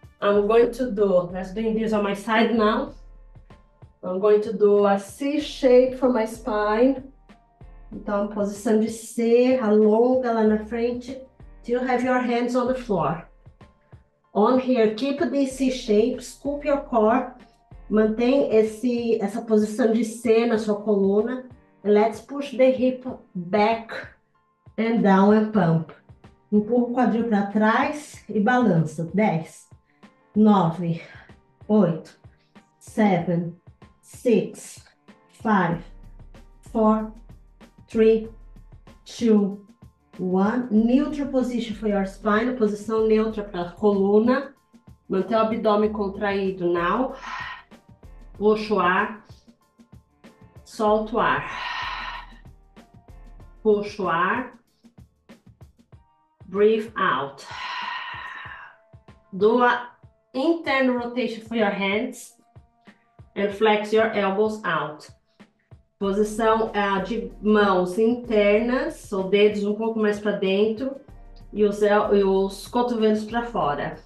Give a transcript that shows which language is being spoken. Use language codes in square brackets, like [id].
[en] I'm going to do, let's do this on my side now. I'm going to do a C shape for my spine. [pt] Então, posição de C, alonga lá na frente. [en] Till you have your hands on the floor. On here, keep this C shape, scoop your core. [pt] Mantém essa posição de C na sua coluna. [en] And let's push the hip back. [pt] And down and pump. Empurra o quadril para trás e balança. 10, 9, 8, 7, 6, 5, 4, 3, 2, 1. [en] Neutral position for your spine. [pt] Posição neutra para a coluna. Mantém o abdômen contraído [en] now. [pt] Puxa o ar. Solta o ar. Puxa o ar. [en] Breathe out. Do an internal rotation for your hands and flex your elbows out. [pt] Posição de mãos internas, ou dedos um pouco mais para dentro e os cotovelos para fora.